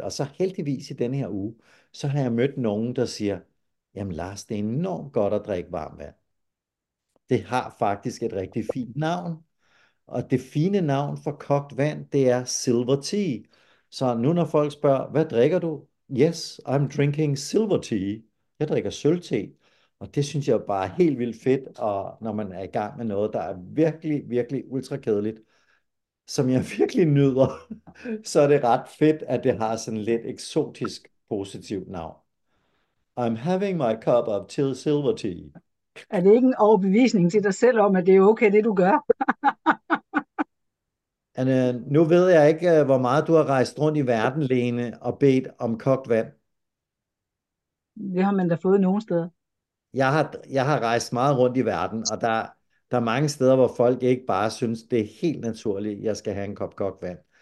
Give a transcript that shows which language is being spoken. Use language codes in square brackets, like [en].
[da] Og så heldigvis i denne her uge, så har jeg mødt nogen, der siger, jamen Lars, det er enormt godt at drikke varmt vand. Det har faktisk et rigtig fint navn. Og det fine navn for kogt vand, det er silver tea. Så nu når folk spørger, hvad drikker du? [en] Yes, I'm drinking silver tea. [da] Jeg drikker sølvte. Og det synes jeg bare er helt vildt fedt, og når man er i gang med noget, der er virkelig, virkelig ultrakedeligt, som jeg virkelig nyder, så er det ret fedt, at det har sådan lidt eksotisk positivt navn. [en] I'm having my cup of tea, silver tea. [da] Er det ikke en overbevisning til dig selv om, at det er okay, det du gør? Nu ved jeg ikke, hvor meget du har rejst rundt i verden, Lene, og bedt om kogt vand. Det har man da fået nogle steder. Jeg har rejst meget rundt i verden, og der er mange steder, hvor folk ikke bare synes, det er helt naturligt, at jeg skal have en kop kogt vand.